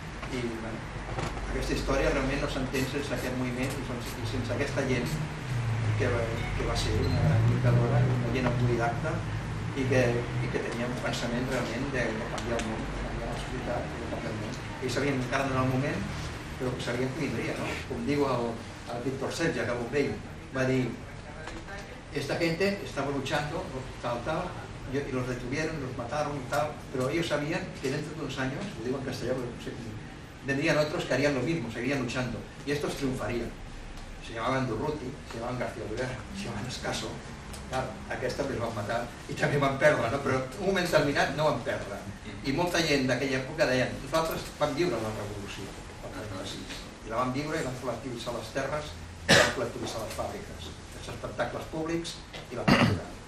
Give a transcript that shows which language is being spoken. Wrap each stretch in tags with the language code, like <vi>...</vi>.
<ca>I aquesta història realment no s'entén sense aquest moviment i sense aquesta gent que va ser una gran lluitadora, una gent autodidacta, i que tenia un pensament realment de canviar el món, de canviar la societat, de canviar el món. Ells sabien encara no era el moment, però sabien que vindria, no? Com diu el Víctor Sergi, que acabo amb ell, va dir,</ca> <es>esta gente estaba luchando, tal, tal, y los detuvieron, los mataron y tal, pero ellos sabían que dentro de unos años, lo digo en castellano, vendrían otros que harían lo mismo, seguirían luchando, y estos triunfarían. Se llamaban Durruti, se llamaban García Oliver, se llamaban Escaso, claro,</es> <ca>aquesta els van matar i també van perdre, no? Però un moment determinat no van perdre. I molta gent d'aquella època deien, nosaltres vam viure la revolució, i la vam viure i vam col·lectivitzar les terres i vam col·lectivitzar les fàbriques, els espectacles públics i la cultura.</ca>